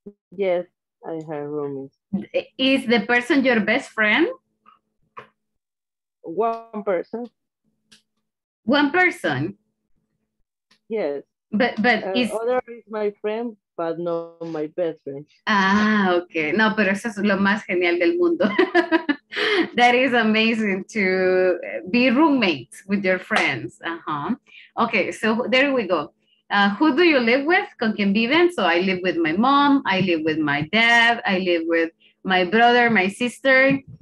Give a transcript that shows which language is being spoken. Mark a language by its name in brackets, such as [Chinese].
[English] Yes, I have roommates. Is the person your best friend? One person. One person? Yes. But is other is my friend, but not my best friend. Ah, okay. [Spanish] No, pero eso es lo más genial del mundo. [English] That is amazing to be roommates with your friends. Uh-huh. Okay, so there we go. Who do you live with? [Spanish] ¿Con quién viven? [English] So I live with my mom, I live with my dad, I live with my brother, my sister.